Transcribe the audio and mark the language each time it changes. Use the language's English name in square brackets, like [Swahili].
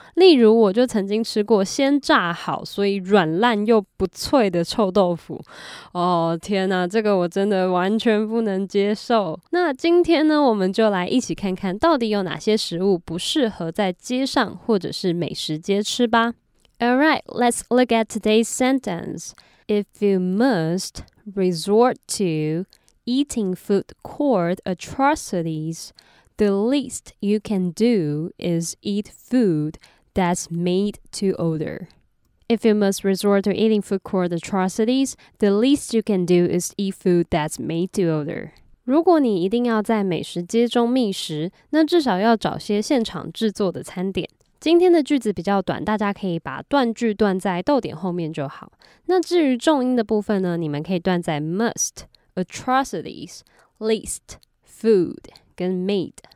[Chinese] 例如，我就曾经吃过先炸好，所以软烂又不脆的臭豆腐。哦，天哪，这个我真的完全不能接受。那今天呢，我们就来一起看看到底有哪些食物不适合在街上或者是美食街吃吧。 [English] Alright, let's look at today's sentence. If you must resort to eating food court atrocities, the least you can do is eat food that's made to order. If you must resort to eating food court atrocities, the least you can do is eat food that's made to order. [Chinese] 如果你一定要在美食街中觅食，那至少要找些现场制作的餐点。今天的句子比较短，大家可以把断句断在逗点后面就好。那至于重音的部分呢，你们可以断在 must, atrocities, least, food 跟 made。